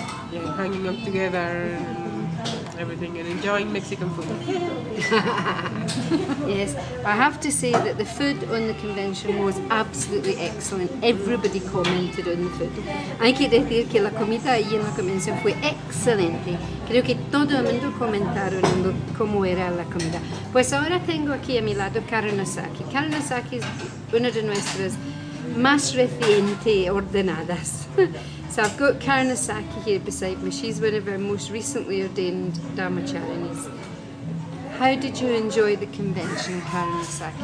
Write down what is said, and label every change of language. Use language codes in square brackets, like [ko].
[en] We were hanging up together and everything and enjoying Mexican food. Yes, I have to say that the food on the convention was absolutely excellent. Everybody commented on the food. [es] Hay que decir que la comida allí en la convención fue excelente. Creo que todo el mundo comentaron cómo era la comida. Pues ahora tengo aquí a mi lado Karen Osaki. Karen Osaki es una de nuestras más recientes ordenadas. [en] So I've got Karen Osaki here beside me. She's one of our most recently ordained Dharmacharinis. How did you enjoy the convention, Karen Osaki?